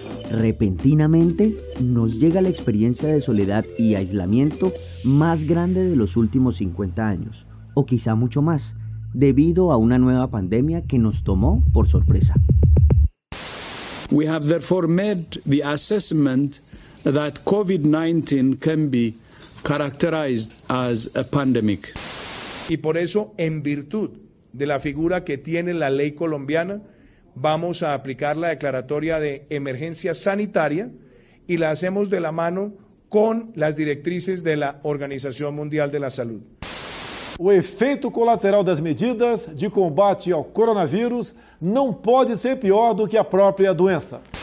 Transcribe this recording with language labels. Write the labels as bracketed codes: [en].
[es] Repentinamente nos llega la experiencia de soledad y aislamiento más grande de los últimos 50 años, o quizá mucho más, debido a una nueva pandemia que nos tomó por sorpresa. [en] We have therefore made the assessment that COVID-19 can be characterized as a pandemic. [es] Y por eso, en virtud de la figura que tiene la ley colombiana, vamos a aplicar la declaratoria de emergencia sanitaria y la hacemos de la mano con las directrices de la Organización Mundial de la Salud. [pt] O efeito colateral das medidas de combate ao coronavírus não pode ser pior do que a própria doença.